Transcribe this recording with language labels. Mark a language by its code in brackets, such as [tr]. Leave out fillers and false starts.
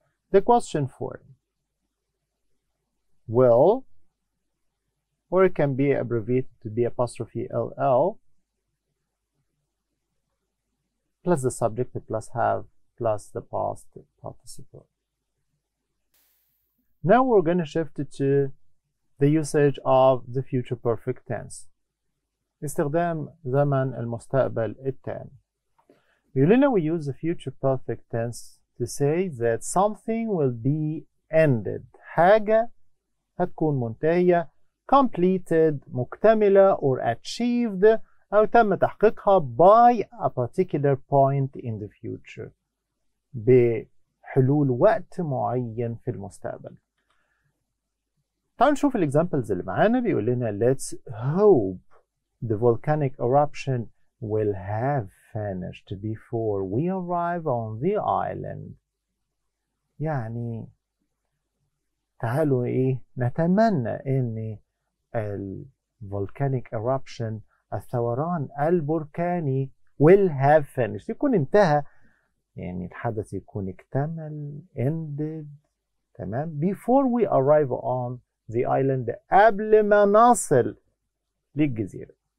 [en] The question form will, or it can be abbreviated to be apostrophe LL, plus the subject plus have plus the past participle. Now we're going to shift to the usage of the future perfect tense. [ar] استخدام زمن المستقبل التام. [en] Usually we use the future perfect tense to say that something will be ended. [ar] حاجة هتكون منتهية, [en] completed, مكتملة, or achieved, [ar] أو تم تحقيقها [en] by a particular point in the future. [ar] بحلول وقت معين في المستقبل. تعالوا نشوف الاكزامبلز اللي معانا. بيقول لنا [en] let's hope the volcanic eruption will have finished before we arrive on the island. [ar] يعني تعالوا ايه نتمنى ان ال volcanic eruption الثوران البركاني [en] will have finished [ar] يكون انتهى, يعني الحدث يكون اكتمل ended تمام [en] before we arrive on the island [ar] قبل ما نصل للجزيرة.